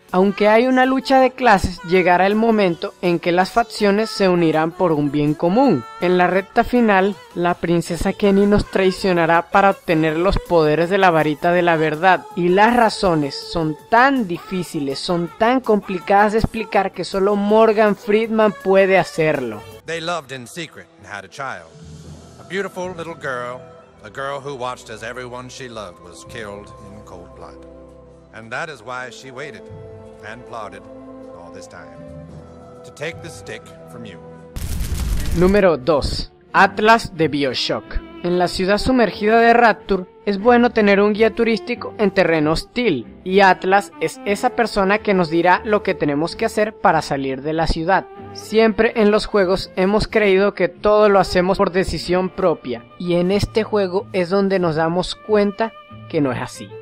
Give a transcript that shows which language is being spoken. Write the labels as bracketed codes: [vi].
[es] Aunque hay una lucha de clases, llegará el momento en que las facciones se unirán por un bien común. En la recta final, la princesa Kenny nos traicionará para obtener los poderes de la varita de la verdad. Y las razones son tan difíciles, son tan complicadas de explicar que solo Morgan Freeman puede hacerlo. [en] They loved in secret and had a child. A beautiful little girl, a girl who watched as everyone she loved was killed in cold blood. And that is why she waited and plotted all this time to take the stick from you. [es] Número 2. Atlas de BioShock. En la ciudad sumergida de Rapture es bueno tener un guía turístico en terreno hostil, y Atlas es esa persona que nos dirá lo que tenemos que hacer para salir de la ciudad. Siempre en los juegos hemos creído que todo lo hacemos por decisión propia, y en este juego es donde nos damos cuenta que no es así.